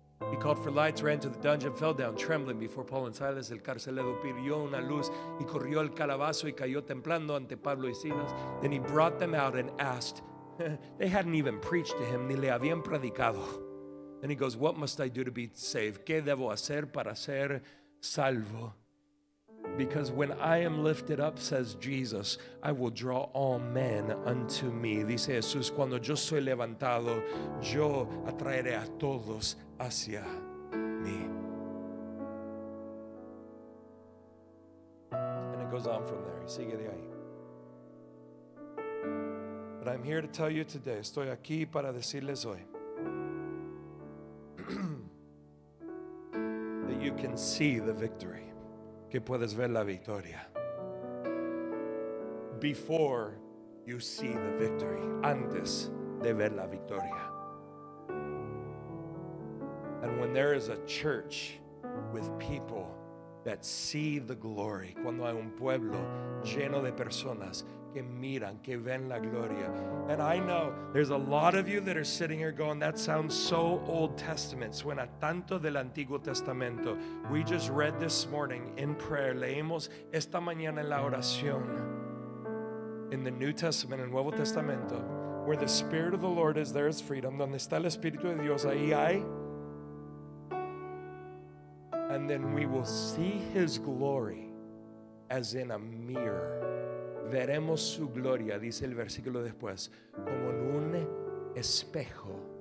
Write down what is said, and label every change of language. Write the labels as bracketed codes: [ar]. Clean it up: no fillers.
[en] He called for lights, ran to the dungeon, fell down trembling before Paul and Silas. [es] El carcelero pidió una luz y corrió al calabazo y cayó temblando ante Pablo y Silas. [en] Then he brought them out and asked. They hadn't even preached to him, [es] ni le habían predicado. [en] Then he goes, "What must I do to be saved?" [es] ¿Qué debo hacer para ser salvo? [en] "Because when I am lifted up, says Jesus, I will draw all men unto me." [es] Dice Jesús, cuando yo soy levantado, yo atraeré a todos hacia mí. [en] And it goes on from there. [es] Sigue de ahí. [en] But I'm here to tell you today, [es] estoy aquí para decirles hoy, [en] you can see the victory. [es] Que puedes ver la victoria. [en] Before you see the victory. [es] Antes de ver la victoria. [en] And when there is a church with people that see the glory. [es] Cuando hay un pueblo lleno de personas que miran, que ven la gloria. [en] And I know there's a lot of you that are sitting here going, "That sounds so Old Testament." [es] Suena tanto del Antiguo Testamento. [en] We just read this morning in prayer. [es] Leímos esta mañana en la oración. [en] In the New Testament, [es] el Nuevo Testamento, [en] where the Spirit of the Lord is, there is freedom. [es] Donde está el Espíritu de Dios, ahí hay. [en] And then we will see his glory as in a mirror. [es] Veremos su gloria, dice el versículo después, como en un espejo.